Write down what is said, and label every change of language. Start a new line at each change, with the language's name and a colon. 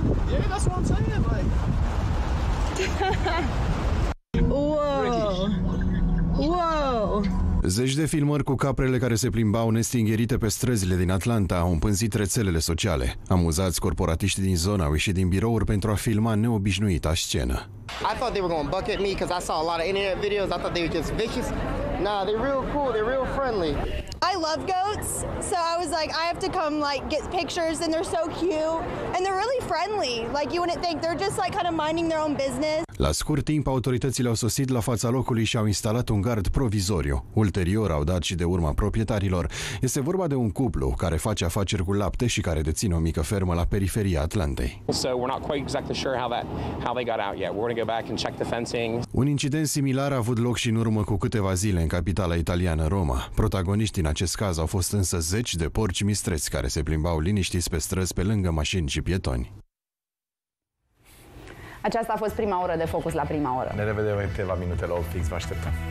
English: Yeah, that's what I'm saying, like. Wow. Wow.
Romanian: Zeci de filmări cu caprele care se plimbau nestingherite pe străzile din Atlanta au împânzit rețelele sociale. Amuzați corporatiști din zona au ieșit din birouri pentru a filma neobișnuita scenă.
English: I thought they were going to bucket me because I saw a lot of internet videos. I thought they were just vicious. Nah, they're real cool. They're real friendly. I love goats, so I was like, I have to come like get pictures, and they're so cute and they're really friendly. Like you wouldn't think they're just like kind of minding their own business.
Romanian: La scurt timp, autoritățile au sosit la fața locului și au instalat un gard provizoriu. Ulterior au dat și de urma proprietarilor. Este vorba de un cuplu care face afaceri cu lapte și care deține o mică fermă la periferia Atlantei.
English: So we're not quite exactly sure how they got out yet. We're going to go back and check the fencing.
Romanian: Un incident similar a avut loc și în urmă cu câteva zile în capitala italiană, Roma. Protagoniștii în acest caz au fost însă zeci de porci mistreți care se plimbau liniștiți pe străzi pe lângă mașini și pietoni. Aceasta a fost prima oră de Focus la prima oră. Ne revedem în câteva minute la Optix, vă așteptăm.